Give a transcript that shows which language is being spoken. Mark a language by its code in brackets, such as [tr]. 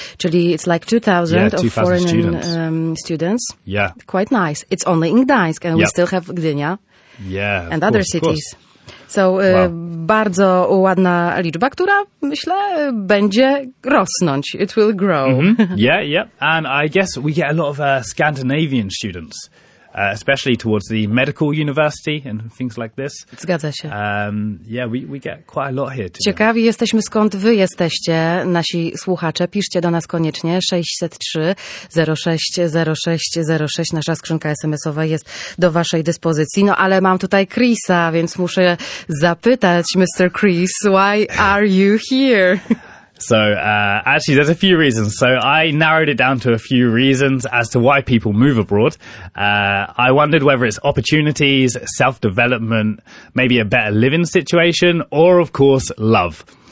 [en] Czyli it's like 2000 of foreign students. Students. Yeah. Quite nice. It's only in Gdańsk and we still have Gdynia. Yeah, and other cities. [pl] So, bardzo ładna liczba, która, myślę, będzie rosnąć. [en] It will grow. Mm-hmm. Yeah, yeah. And I guess we get a lot of Scandinavian students, especially towards the medical university and things like this. [pl] Zgadza się. [en] We get quite a lot here today. [pl] Ciekawi jesteśmy, skąd wy jesteście, nasi słuchacze. Piszcie do nas koniecznie. 603-06-06-06. Nasza skrzynka SMS-owa jest do waszej dyspozycji. No ale mam tutaj Chrisa, więc muszę zapytać, Mr. [en] Chris, why are you here? So, actually, there's a few reasons. So I narrowed it down to a few reasons as to why people move abroad. I wondered whether it's opportunities, self-development, maybe a better living situation, or, of course, love.